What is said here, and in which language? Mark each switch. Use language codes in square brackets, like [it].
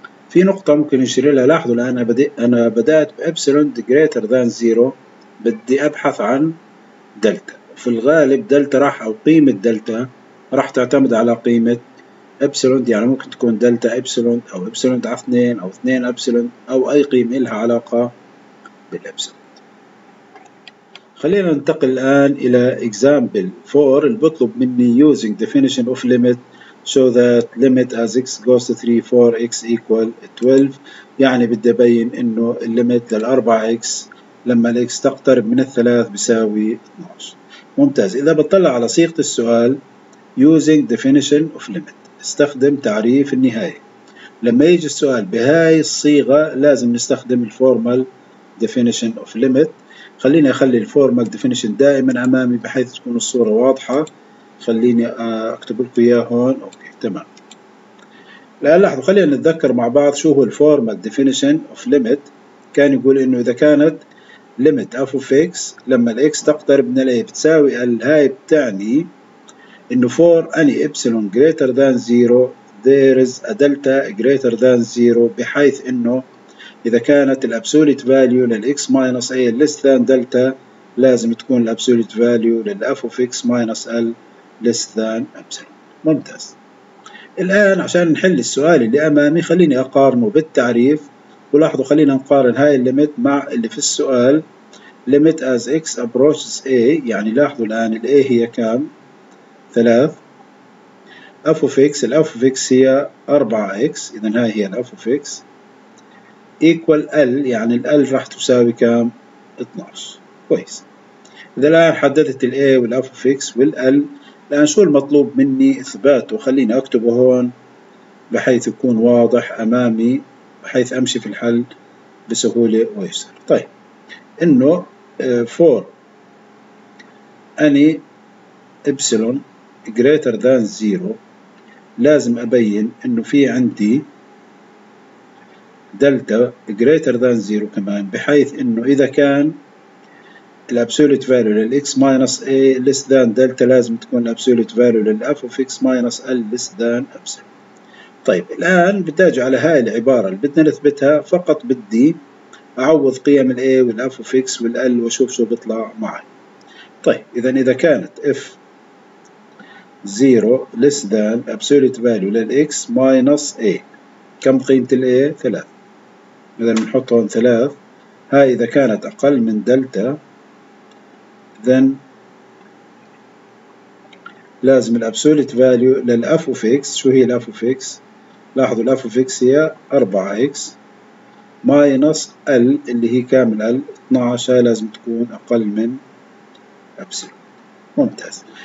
[ar] في نقطة ممكن نشير لها، لاحظوا الآن أنا بدأت بإبسلون greater than zero، بدي أبحث عن دلتا. في الغالب دلتا راح، أو قيمة دلتا راح تعتمد على قيمة إبسلون، يعني ممكن تكون دلتا إبسلون أو إبسلون على 2 أو 2 إبسلون أو أي قيمة لها علاقة بالإبسلون. خلينا ننتقل الآن إلى [en] example 4 [ar] اللي بطلب مني [en] using definition of limit show that limit as x goes to 3 4x equal 12. [ar] يعني بدي أبين إنه الليمت للأربع x لما الـ x تقترب من الثلاث بساوي 12. ممتاز. إذا بطلع على صيغة السؤال [en] using definition of limit، [ar] استخدم تعريف النهاية. لما يجي السؤال بهاي الصيغة لازم نستخدم [en] formal definition of limit. [ar] خليني أخلي formal definition دائما أمامي بحيث تكون الصورة واضحة. خليني أكتب لكم إياه هون. أوكي تمام. الآن لاحظوا، خلينا نتذكر مع بعض شو هو [en] formal definition of limit. [ar] كان يقول إنه إذا كانت [en] limit f of x لما الـ x تقترب من الـ a بتساوي الـ، [ar] هاي بتعني إنه [en] for any epsilon greater than zero there is a delta greater than zero، [ar] بحيث إنه إذا كانت [en] الـ absolute value للـ x minus a less than delta [ar] لازم تكون [en] الـ absolute value للـ f of x minus l less than epsilon. [ar] ممتاز. الآن عشان نحل السؤال اللي أمامي خليني أقارنه بالتعريف، ولاحظوا خلينا نقارن هاي الليمت مع اللي في السؤال. limit as x approaches a، يعني لاحظوا الآن الـ a هي كام؟ 3. f of x، الـ f of x هي 4x، إذا هاي هي الـ f of x equal l، يعني الـ l راح تساوي كام؟ 12. كويس. إذا الآن حددت الـ a والـ f of x والـ l، الآن شو المطلوب مني إثباته؟ خليني أكتبه هون بحيث يكون واضح أمامي، بحيث أمشي في الحل بسهولة ويسر. [en] طيب، إنه for any epsilon greater than zero [ar] لازم أبين إنه في عندي دلتا [en] greater than zero كمان، [ar] بحيث إنه إذا كان [en] الـ absolute value للـ x minus a less than delta لازم تكون الـ absolute value للـ f of x minus l less than epsilon. [ar] طيب الآن بتاجي على هاي العبارة اللي بدنا نثبتها، فقط بدي أعوض قيم الـ a والـ f of x والـ l وأشوف شو بيطلع معي. طيب إذا كانت f 0 less than absolute value للـ x minus a، كم قيمة الـ a؟ 3. إذا بنحط هون 3، هاي إذا كانت أقل من دلتا then لازم الـ absolute value للـ f of x، شو هي الـ f of x؟ لاحظوا الـ f of x هي 4x minus l اللي هي كامل l 12، هاي لازم تكون أقل من epsilon. ممتاز.